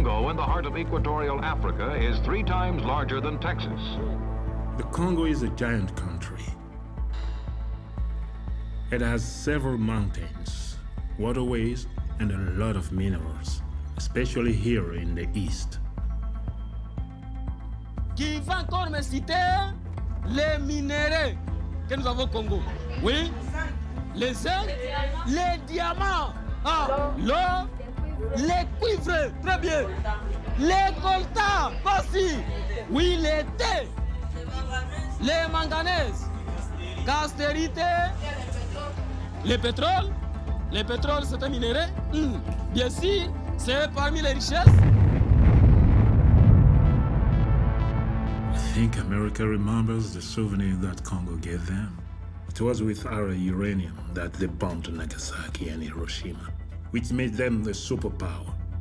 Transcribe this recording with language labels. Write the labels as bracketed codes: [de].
[en] in the heart of equatorial Africa is three times larger than Texas. The Congo is a giant country. It has several mountains, waterways, and a lot of minerals, especially here in the east. [fr] Qui va encore me citer les minéraux que nous avons au Congo? Oui? Les zinc, les diamants, ah, l'or, les cuivres, très bien. Les coltan, voici. Oui, les thé, les manganèse, castérite, le pétrole, c'est un minéraux. Bien sûr, c'est parmi les richesses. [en] I think America remembers the souvenir that Congo gave them. It was with our uranium that they bombed Nagasaki and Hiroshima, which made them the superpower.